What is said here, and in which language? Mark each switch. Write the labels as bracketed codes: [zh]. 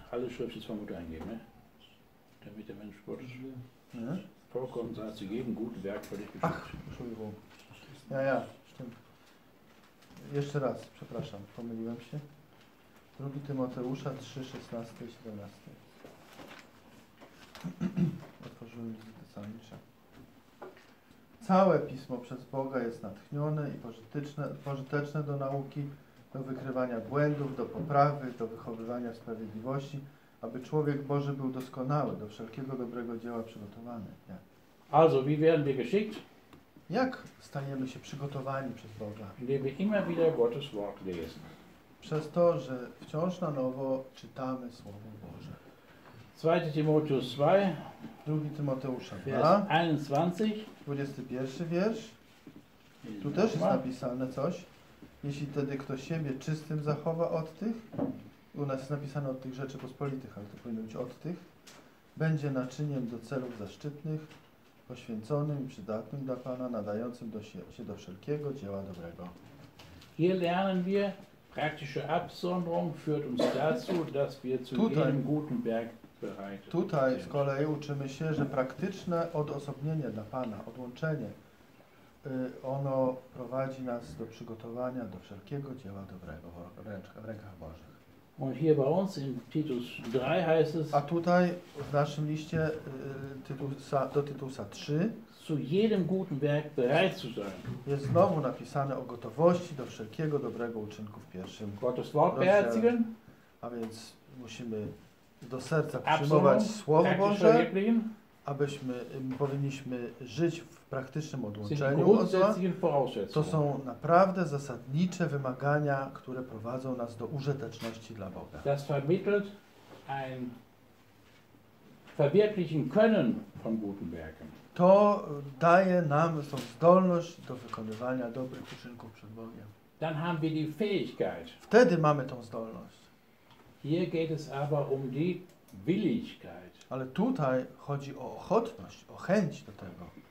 [de] Alle Schrift ist von Gott eingegeben, damit der Mensch Gottes vollkommen sei zu jedem guten Werk völlig geschützt. Ach, Entschuldigung. Ja, ja, stimmt. [pl] Jeszcze raz, przepraszam, pomyliłem się. 2. Tymoteusza 3, 16 i 17. Otworzyłem listę Tesalonicza. Całe pismo przez Boga jest natchnione i pożyteczne do nauki, do wykrywania błędów, do poprawy, do wychowywania w sprawiedliwości, aby człowiek Boży był doskonały, do wszelkiego dobrego dzieła przygotowany. Nie. [de] Also, wie werden wir geschickt? [pl] Jak staniemy się przygotowani przez Boga? [de] Indem wir immer wieder Gottes Wort lesen. [pl] Przez to, że wciąż na nowo czytamy Słowo Boże. 2. Tymoteusz 2. 2. Tymoteusza 2. 21. 21 wiersz. Tu też jest napisane coś. Jeśli wtedy ktoś siebie czystym zachowa od tych, u nas jest napisane od tych rzeczy pospolitych, ale to powinno być od tych, będzie naczyniem do celów zaszczytnych, poświęconym i przydatnym dla Pana, nadającym się do wszelkiego dzieła dobrego. [de] Hier lernen wir, praktische Absonderung führt uns dazu, dass wir zu [pl] tutaj, [de] jedem guten Berg bereit. [pl] Tutaj z kolei uczymy się, że praktyczne odosobnienie dla Pana, odłączenie, ono prowadzi nas do przygotowania do wszelkiego dzieła dobrego w rękach Bożych. [de] Und hier bei uns in Titus 3 heißt es, [pl] a tutaj w naszym liście do Tytusa 3 [de] zu jedem guten Werk bereit zu sein. [pl] Jest znowu napisane o gotowości do wszelkiego dobrego uczynku w pierwszym [de] Gottes Wort beherzigen. [pl] A więc musimy do serca przyjmować Słowo Boże, abyśmy powinniśmy żyć w praktycznym odłączeniu od zła. To są naprawdę zasadnicze wymagania, które prowadzą nas do użyteczności dla Boga. [de] Das vermittelt ein verwirklichen können von guten Werken. [pl] To daje nam tą zdolność do wykonywania dobrych uczynków przed Bogiem. [de] Dann haben wir die Fähigkeit. [pl] Wtedy mamy tą zdolność. [de] Hier geht es aber um die Willigkeit. [pl] Ale tutaj chodzi o ochotność, o chęć do tego.